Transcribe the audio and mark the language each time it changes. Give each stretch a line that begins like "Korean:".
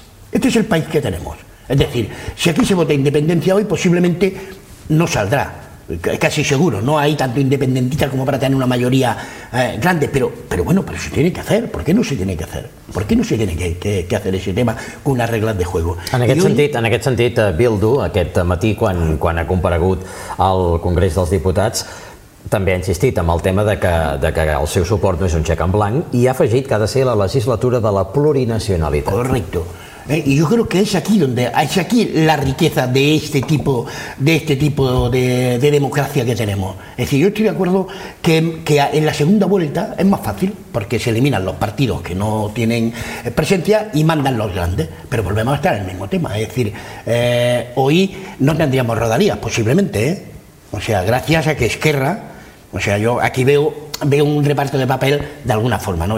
Spanish: Este es el país que tenemos. Es decir, si aquí se vota independencia hoy, posiblemente no saldrá. Casi seguro, no hay tanto independentista como para tener una mayoría grande, pero bueno, pero se tiene que hacer. ¿Por qué no se tiene que hacer? ¿Por qué no se tiene que hacer ese tema con unas reglas de juego?
Catalan: En aquest sentit, Bildu, aquest matí, quan ha comparegut al Congrés dels Diputats, també ha insistit en el tema de que el seu suport no és un xec en blanc i ha afegit que ha de ser la legislatura de la plurinacionalitat.
Spanish: Correcto. Y yo creo que es aquí la riqueza de este tipo de democracia que tenemos. Es decir, yo estoy de acuerdo que en la segunda vuelta es más fácil porque se eliminan los partidos que no tienen presencia y mandan los grandes, pero volvemos a estar en el mismo tema. Es decir, hoy no tendríamos Rodalías, posiblemente, ¿eh? O sea, gracias a que Esquerra, o sea, yo aquí veo un reparto de papel de alguna forma, ¿no?